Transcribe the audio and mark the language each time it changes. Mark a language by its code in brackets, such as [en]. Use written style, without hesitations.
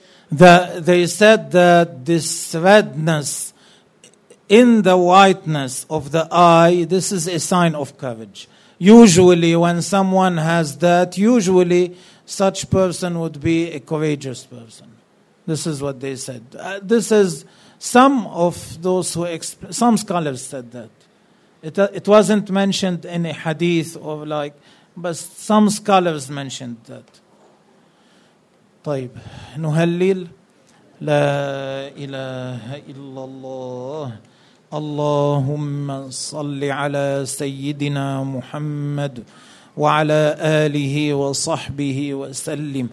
[en] they said that this redness in the whiteness of the eye this is a sign of courage usually when someone has that usually such person would be a courageous person. This is what they said. This is some of those who some scholars said that. It wasn't mentioned in a hadith or like, but some scholars mentioned that. [ar] طيب نهلل لا إله إلا الله اللهم صل على سيدنا محمد وعلى آله وصحبه وسلم